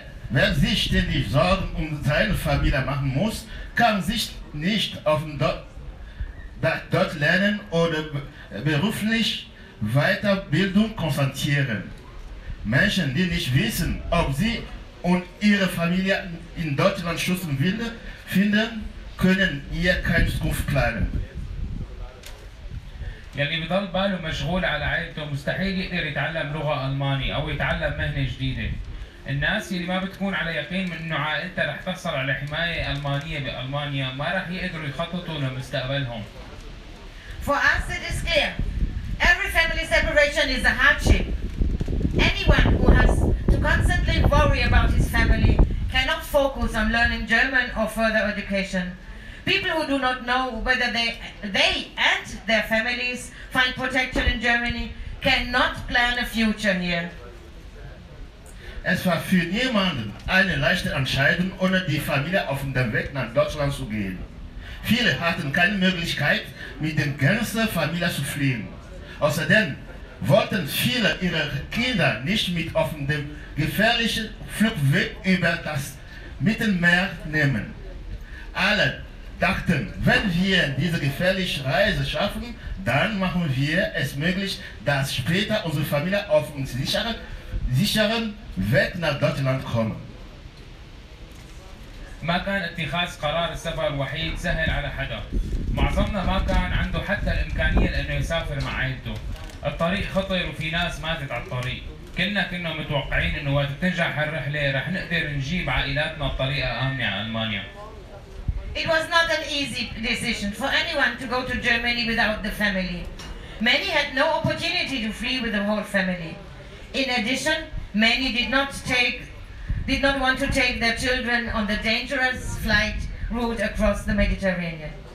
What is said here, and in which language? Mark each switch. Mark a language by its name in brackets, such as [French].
[German] Wer sich ständig Sorgen um seine Familie machen muss, kann sich nicht auf dem dort lernen oder beruflich Weiterbildung konzentrieren. Menschen, die nicht wissen, ob sie und ihre Familie in Deutschland Schutz finden, können hier keine Zukunft planen. [Arabic] يلي بضل باله مشغول على عائلته مستحيل يقدر يتعلم لغة ألماني أو يتعلم مهنة جديدة. الناس يلي ما بتكون على يقين من إنه عائلته رح تحصل على حماية ألمانية بألمانيا ما رح يقدروا يخططوا لمستقبلهم. [English] For us it is clear, every family separation is a hardship. Anyone who has to constantly worry about his family cannot focus on learning German or further education. People who do not know whether they and their families find protection in Germany cannot plan a future here. [German] Es war für niemanden eine leichte Entscheidung, ohne die Familie auf dem Weg nach Deutschland zu gehen. Viele hatten keine Möglichkeit, mit der ganzen Familie zu fliehen. Außerdem wollten viele ihre Kinder nicht mit auf dem gefährlichen Flugweg über das Mittelmeer nehmen. Alle dachten, wenn wir diese gefährliche Reise schaffen, dann machen wir es möglich, dass später unsere Familie auf einen sicheren Weg nach Deutschland kommt. [Arabic] ما كان اتخاذ قرار السفر الوحيد سهل على حدا. معظمنا ما كان عنده حتى الامكان. يسافر مع عائلته. الطريق خطر وفي ناس ماتت على الطريق. كنا متوقعين انه وقت تنجح هالرحلة رح نقدر نجيب عائلاتنا بطريقة آمنة على ألمانيا. [English] It was not an easy decision for anyone to go to Germany without the family. Many had no opportunity to flee with the whole family. In addition, many did not want to take their children on the dangerous flight route across the Mediterranean.